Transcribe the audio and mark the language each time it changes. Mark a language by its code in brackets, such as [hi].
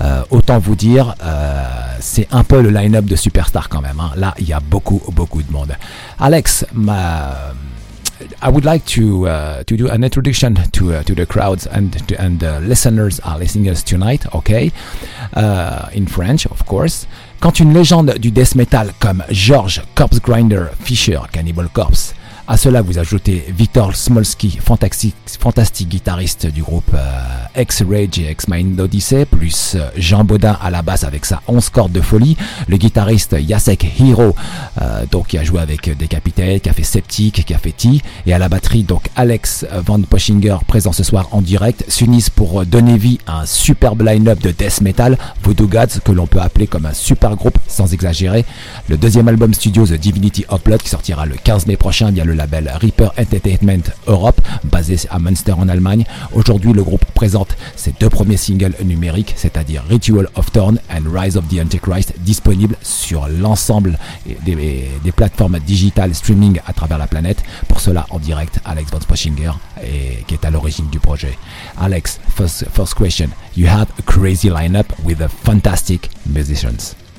[fr] Autant vous dire, c'est un peu le line-up de Superstar quand même. Hein. Là, il y a beaucoup, beaucoup de monde. [en] Alex, I would like to do an introduction to the crowds and the listeners are listening to us tonight, okay? In French, of course. [fr] Quand une légende du death metal comme George Corpse Grinder Fisher, Cannibal Corpse, à cela vous ajoutez Victor Smolski, fantastique guitariste du groupe X-Rage et X-Mind Odyssey, plus Jean Baudin à la basse avec sa 11 cordes de folie, le guitariste Jacek Hiro, donc qui a joué avec Decapitated, qui a fait Septic, qui a fait Tea, et à la batterie, donc Alex von Pushinger, présent ce soir en direct, s'unissent pour donner vie à un superbe line-up de death metal, Voodoo Gods, que l'on peut appeler comme un super groupe, sans exagérer. Le deuxième album studio, The Divinity of Blood, qui sortira le 15 mai prochain via le label Reaper Entertainment Europe, basé à Münster en Allemagne. Aujourd'hui, le groupe présente ses deux premiers singles numériques, c'est-à-dire Ritual of Thorn and Rise of the Antichrist, disponibles sur l'ensemble des plateformes digitales streaming à travers la planète. Pour cela, en direct, Alex von Pushinger, qui est à l'origine du projet. [en] Alex, first question. You have a crazy lineup with a fantastic musicians.